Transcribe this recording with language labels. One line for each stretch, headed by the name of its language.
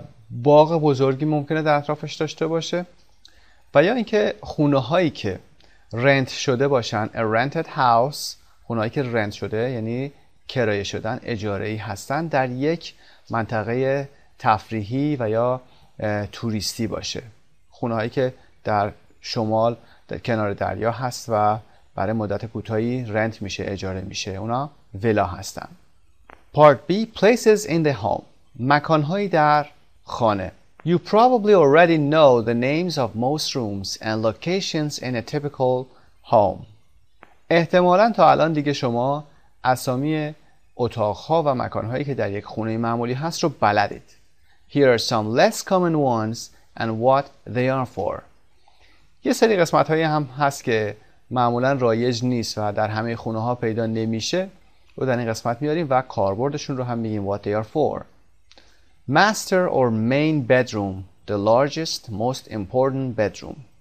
Persian: باغ بزرگی ممکنه در اطرافش داشته باشه و یا اینکه خونه هایی که رنت شده باشن،
English: a rented house،
Persian: خونه هایی که رنت شده یعنی کرایه شدن، اجاره‌ای هستن، در یک منطقه تفریحی و یا توریستی باشه. خونه هایی که در شمال در کنار دریا هست و برای مدت کوتاهی رنت میشه، اجاره میشه، اونا ویلا هستن.
English: Part B. Places in the home.
Persian: مکانهایی در خانه.
English: You probably already know the names of most rooms and locations in a typical home.
Persian: احتمالاً تا الان دیگه شما اسامی اتاقها و مکانهایی که در یک خونه معمولی هست رو بلدید.
English: Here are some less common ones and what they are for.
Persian: یه سری قسمتهایی هم هست که معمولا رایج نیست و در همه خونه ها پیدا نمیشه و در این قسمت میاریم و کاربردشون رو هم میگیم.
English: What they are for. Master or main bedroom. the largest, most important bedroom.